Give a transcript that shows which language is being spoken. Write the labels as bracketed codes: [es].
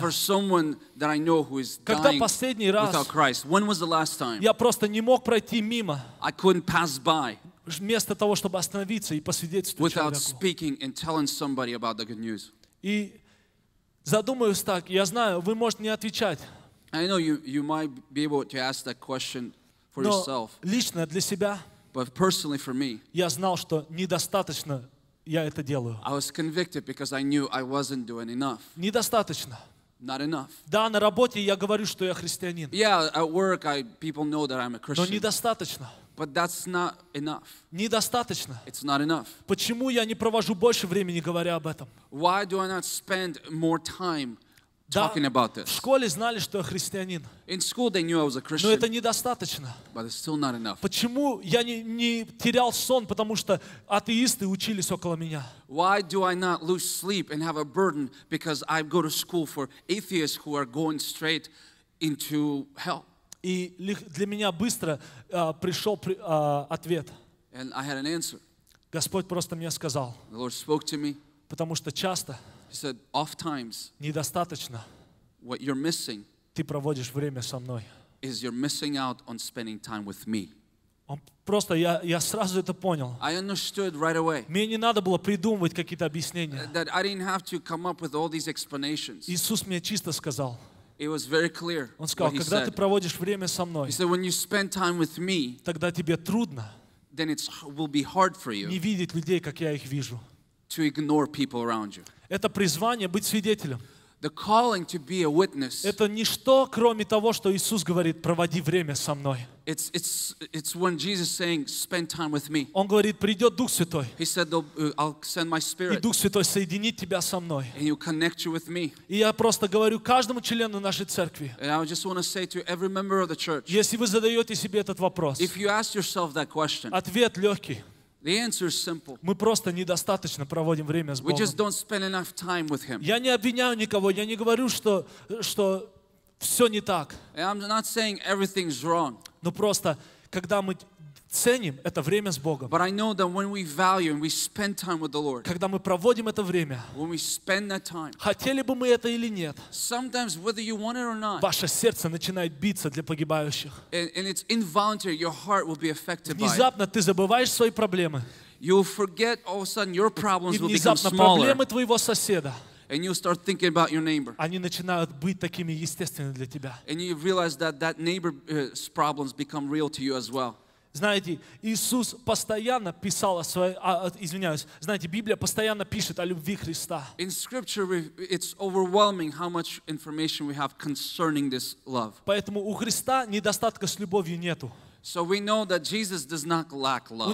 [en] For someone that I know who is dying without Christ. When was the last time? [ru] Я просто не мог пройти мимо. [en] I couldn't pass by. [ru] Вместо того, чтобы остановиться и посвидетельствовать человеку. [en] speaking and telling somebody about the good news. [ru] И задумаюсь так. Я знаю, вы можете не отвечать. [en] I know you might be able to ask that question. For yourself. [ru] Но лично для себя, [en] but personally for me, [ru] я знал, что недостаточно я это делаю. [en] I was convicted because I knew I wasn't doing enough. [ru] Недостаточно. [en] Not enough. [ru] Да, на работе я говорю, что я христианин. [en] Yeah, at work people know that I'm a Christian. [ru] Но недостаточно. [en] But that's not enough. [ru] Недостаточно. [en] It's not enough. [ru] Почему я не провожу больше времени, говоря об этом? [en] Why do I not spend more time talking about this? [ru] В школе знали, что я христианин. [en] In school they knew I was a Christian. [ru] Но это недостаточно. [en] But it's still not enough. [ru] Почему я не терял сон, потому что атеисты учились около меня? [en] Why do I not lose sleep and have a burden because I go to school for atheists who are going straight into hell? [ru] И для меня быстро пришел ответ. [en] And I had an answer. [ru] Господь просто мне сказал. [en] The Lord spoke to me. [ru] Потому что часто [en] He said, "Oft times, [ru] недостаточно. [en] What you're missing, [ru] ты проводишь время со мной. [en] Is you're missing out on spending time with me." [ru] Он просто я сразу это понял. [en] I understood right away. [ru] Мне не надо было придумывать какие-то объяснения. [en] That I didn't have to come up with all these explanations. [ru] Иисус мне чисто сказал. [en] It was very clear. [ru] Он сказал, когда ты проводишь время со мной, [en] He said, "When you spend time with me, [ru] тогда тебе трудно. [en] Then it will be hard for you. [ru] Не видеть людей, как я их вижу. [en] To ignore people around you." [ru] Это призвание быть свидетелем. [en] The calling to be a witness. [ru] Это ничто, кроме того, что Иисус говорит: проводи время со мной. [en] It's when Jesus saying, spend time with me. [ru] Он говорит: придет Дух Святой. [en] He said, I'll send my spirit. [ru] И Дух Святой соединит тебя со мной. [en] And he'll connect you with me. [ru] И я просто говорю каждому члену нашей церкви. [en] And I just want to say to every member of the church. [ru] Если вы задаете себе этот вопрос. [en] If you ask yourself that question. [ru] Ответ легкий. [en] The answer is simple. [ru] Мы просто недостаточно проводим время с Богом. [en] We just don't spend enough time with Him. [ru] Я не обвиняю никого. Я не говорю, что все не так. [en] And I'm not saying everything's wrong. [ru] Но просто, когда мы ценим это время с Богом. [en] But I know that when we value and we spend time with the Lord. [ru] Когда мы проводим это время. [en] When we spend that time. [ru] Хотели бы мы это или нет. [en] Sometimes whether you want it or not. [ru] Ваше сердце начинает биться для погибающих. [en] And it's involuntary. Your heart will be affected by it. [ru] Внезапно ты забываешь свои проблемы. [en] You'll forget all of a sudden your problems will become smaller. [ru] И внезапно проблемы твоего соседа. [en] And you start thinking about your neighbor. [ru] Они начинают быть такими естественными для тебя. [en] And you realize that neighbor's problems become real to you as well. [ru] Знаете, Иисус постоянно писал о своей, извиняюсь, знаете, Библия постоянно пишет о любви Христа. [en] In scripture, it's overwhelming how much information we have concerning this love. [ru] Поэтому у Христа недостатка с любовью нету. [en] So we know that Jesus does not lack love.